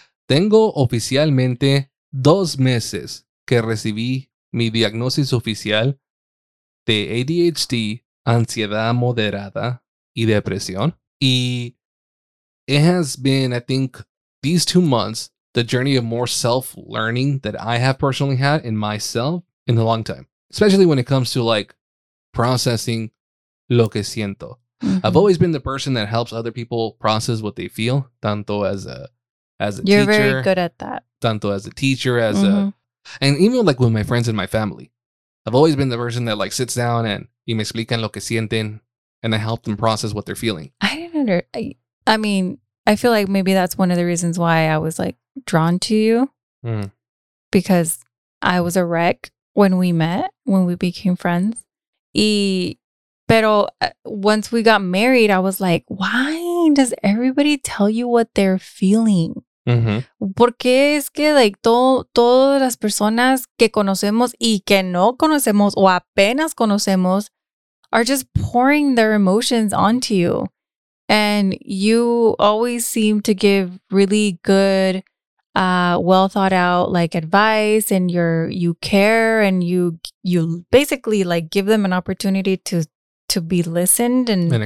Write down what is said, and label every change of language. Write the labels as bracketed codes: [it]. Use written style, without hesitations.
[es] Tengo oficialmente 2 meses que recibí mi diagnosis oficial de ADHD, ansiedad moderada y depresión. Y [en] it has been, I think, these 2 months, the journey of more self-learning that I have personally had in myself in a long time. Especially when it comes to like processing [es] lo que siento. [en] Mm-hmm. I've always been the person that helps other people process what they feel, [es] tanto [en] as a you're teacher. You're very good at that. [es] Tanto [en] as a teacher, and even like with my friends and my family. I've always been the person that like sits down and [es] y me explican lo que sienten, [en] and I help them process what they're feeling. I mean, I feel like maybe that's one of the reasons why I was like drawn to you, mm. because I was a wreck. When we met, when we became friends, [es] pero [en] once we got married, I was like, why does everybody tell you what they're feeling? Mm-hmm. [es] Porque es que [en] like [es] todas las personas que conocemos y que no conocemos o apenas conocemos, [en] are just pouring their emotions onto you. And you always seem to give really good, well thought out like advice, and you care, and you basically like give them an opportunity to be listened and